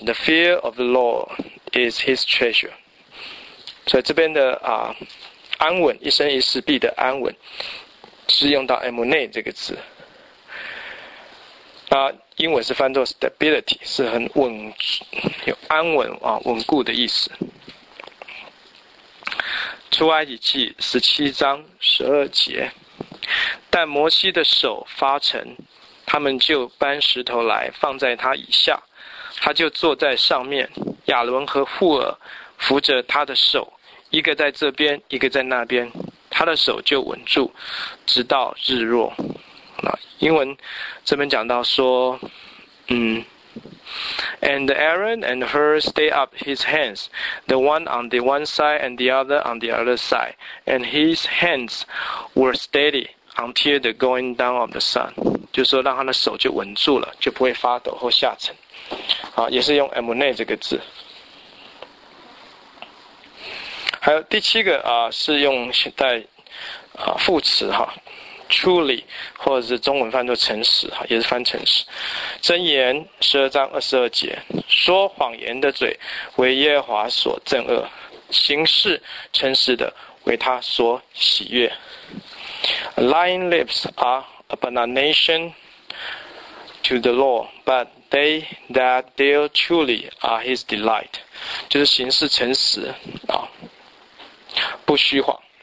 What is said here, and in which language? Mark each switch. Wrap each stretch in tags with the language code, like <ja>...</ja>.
<en>The fear of the Lord is his treasure.</en> <zh>所以这边的安稳，一生一世必的安稳，是用到 M&A 这个词。那英文是翻作 stability， 是很稳，有安稳啊，稳固的意思。出埃及记17:12，但摩西的手发沉，他们就搬石头来放在他以下，他就坐在上面，亚伦和户尔扶着他的手，一个在这边，一个在那边，他的手就稳住，直到日落。那英文这边讲到说，</zh> <en>And Aaron and Hur stayed up his hands, the one on the one side and the other on the other side, and his hands were steady until the going down of the sun.</en> <zh>就是说让他的手就稳住了，就不会发抖或下沉。好，也是用 Emunah 这个字。还有第七个啊，是用现在啊副词哈。 Truly， 或者是中文翻作诚实，也是翻诚实。箴言12:22，说谎言的嘴为耶和华所憎恶，行事诚实的为他所喜悦。</zh> <en>Lying lips are abomination to the law, but they that deal truly are his delight，</en> <zh>就是行事诚实啊，不虚谎。</zh>